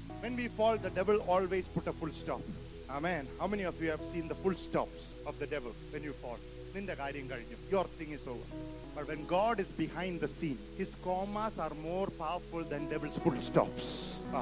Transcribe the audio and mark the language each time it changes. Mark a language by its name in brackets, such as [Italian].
[English] When we fall, the devil always put a full stop. Amen. How many of you have seen the full stops of the devil when you fall? [Malayalam] നിന്റെ കാര്യം കഴിഞ്ഞു, [English] Your thing is over. But when God is behind the scene, his commas are more powerful than devil's full stops.